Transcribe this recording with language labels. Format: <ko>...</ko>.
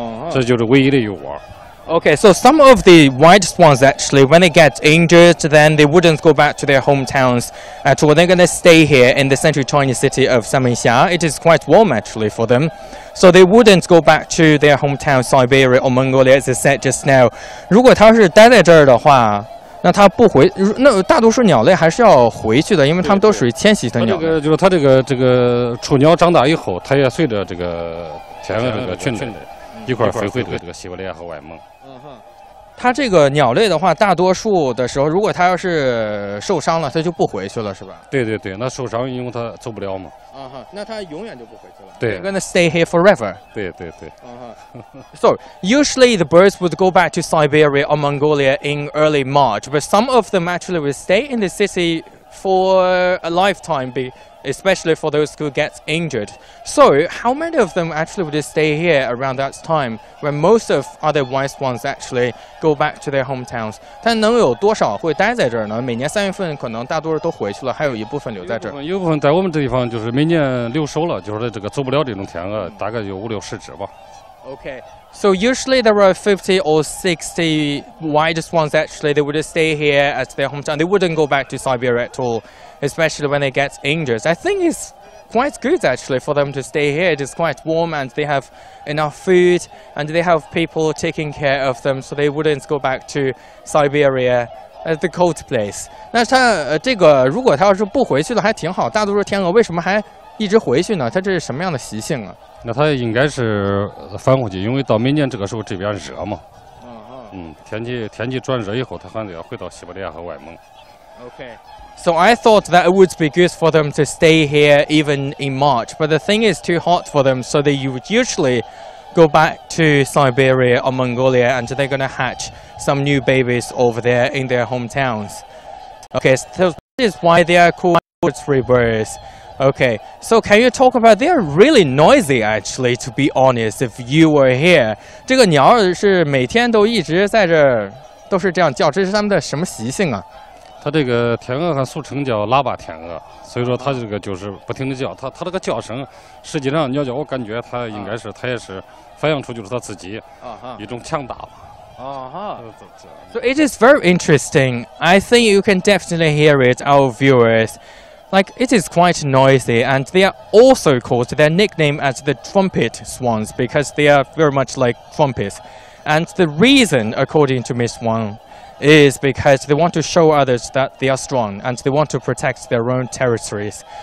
<zh>这就是唯一的一窝。</zh> <en>Okay, so some of the white swans actually, when they get injured, then they wouldn't go back to their hometowns at all. They're going to stay here in the central Chinese city of Sanmenxia. It is quite warm actually for them. So they wouldn't go back to their hometown Siberia or Mongolia, as I said just now.</en> <zh>如果它是待在这儿的话，那它不回，那大多数鸟类还是要回去的，因为它们都属于迁徙的鸟类。对对这个就是它这个雏鸟长大以后，它也随着这个天鹅这个群体。一块儿飞回这个西伯利亚和外蒙。它这个鸟类的话，大多数的时候，如果它要是受伤了，它就不回去了，是吧？对对对，那受伤因为它走不了嘛。那它永远就不回去了。对</zh> <en>，They're gonna stay here forever.</en> <zh>对对对。</zh> <en>So usually the birds would go back to Siberia or Mongolia in early March, but some of them actually would stay in the city for a lifetime. Especially for those who get injured. So, how many of them actually would stay here around that time when most of other white swans actually go back to their hometowns?</en> <zh>但能有多少会待在这儿呢？每年三月份可能大多数都回去了，还有一部分留在这儿。有部分在我们这地方，就是每年留守了，就是这个走不了这种天鹅，大概有五六十只吧。</zh> <en>Okay. So usually there are 50 or 60 white swans actually. They would stay here at their hometown. They wouldn't go back to Siberia at all. Especially when they get injured. I think it's quite good actually for them to stay here. It is quite warm and they have enough food and they have people taking care of them so they wouldn't go back to Siberia, the cold place.</en> <zh>那它这个如果它要是不回去了还挺好，大多数天鹅为什么还一直回去呢？它这是什么样的习性啊？那它应该是返回去，因为到明年这个时候这边热嘛。天气转热以后它还得要回到西伯利亚和外蒙。</zh> <en>Okay. So I thought that it would be good for them to stay here even in March, but the thing is too hot for them, so they would usually go back to Siberia or Mongolia, and they're going to hatch some new babies over there in their hometowns. Okay, so this is why they are called rivers. Okay, so can you talk about, they are really noisy actually, to be honest, if you were here.</en> <zh>这个鸟是每天都一直在这儿，都是这样叫，这是他们的什么习性啊？它这个天鹅和素成叫喇叭天鹅，所以说它这个就是不停的叫，它这个叫声，实际上你要叫我感觉它应该是它也是反映出就是它自己一种强大吧。</zh> <en>So it is very interesting. I think you can definitely hear it, our viewers. Like it is quite noisy, and they are also called their nickname as the trumpet swans because they are very much like trumpets. And the reason, according to Miss Wang. Is because they want to show others that they are strong and they want to protect their own territories.</en>